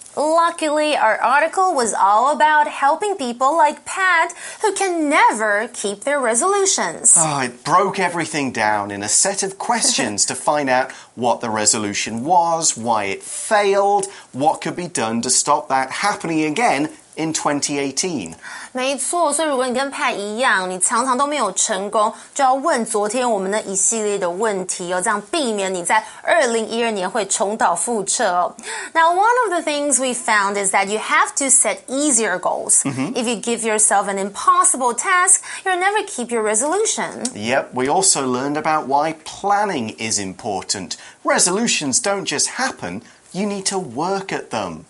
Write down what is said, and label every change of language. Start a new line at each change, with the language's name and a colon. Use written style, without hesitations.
English: Luckily, our article was all about helping people like Pat who can never keep their resolutions. Oh, it broke everything down in a set of questions to find out what the resolution was, why it failed, what could be done to stop that happening again,In 2018.
Chinese: 没错，所以如果你跟 Pat 一样，你常常都没有成功，就要问昨天我们那一系列的问题哦，这样避免你在2012年会重蹈覆辙哦。
English: Now, one of the things we found is that you have to set easier goals. Mm-hmm. If you give yourself an impossible task, you'll never keep your resolution. Yep, we also learned about why planning is important. Resolutions don't just happen. You need to work at them.